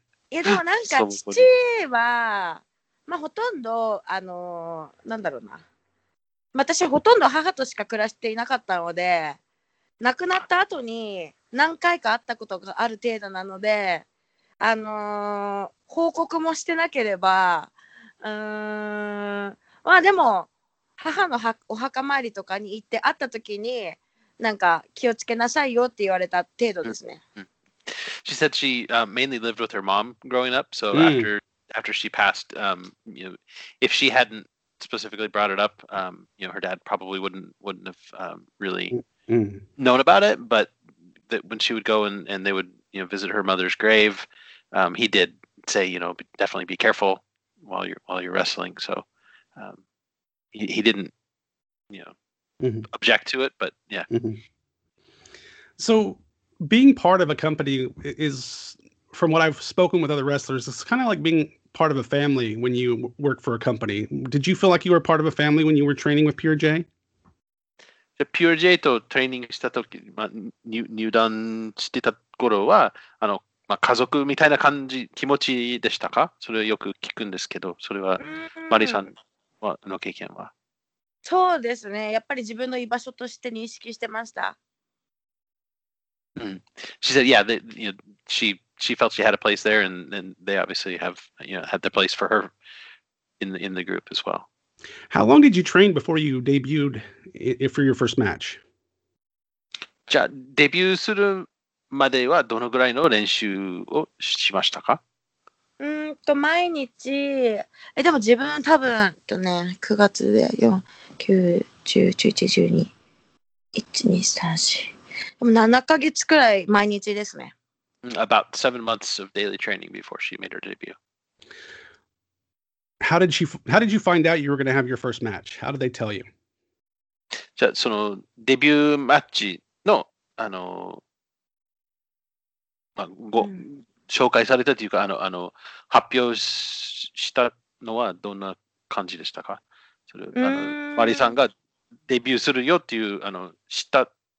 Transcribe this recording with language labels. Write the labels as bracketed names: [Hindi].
[Japanese] いや、なんか父は、ほとんど、なんだろうな。私、ほとんど母としか暮らしていなかったので、亡くなった後に何回か会ったことがある程度なので、報告もしてなければ、でも、母のお墓参りとかに行って会った時に、なんか気をつけなさいよって言われた程度ですね。 [English] She said she mainly lived with her mom growing up. So after she passed, if she hadn't specifically brought it up, her dad probably wouldn't have really known about it. But that when she would go and they would visit her mother's grave, he did say definitely be careful while you're wrestling. So he didn't object to it, but yeah. Mm-hmm. So. Being part of a company is, from what I've spoken with other wrestlers, it's kind of like being part of a family when you work for a company. Did you feel like you were part of a family when you were training with Pure J? [Japanese] Pure J to training した時、入団してた頃は、家族みたいな感じ、気持ちでしたか？それよく聞くんですけど、それはマリさんはの経験は？そうですね。やっぱり自分の居場所として認識してました。 [English] She said, "Yeah, she felt she had a place there, and they obviously have had their place for her in the group as well." How long did you train before you debuted for your first match? [Japanese] じゃあ、デビューするまではどのぐらいの練習をしましたか？毎日でも自分多分とね9月で4、9、10、11、12、1、2、3、4。 [English] About 7 months of daily training before she made her debut. How did you find out you were going to have your first match? How did they tell you? [Japanese] じゃあそのデビューマッチのご紹介されたというか発表したのはどんな感じでしたか？それマリさんがデビューするよっていう知った。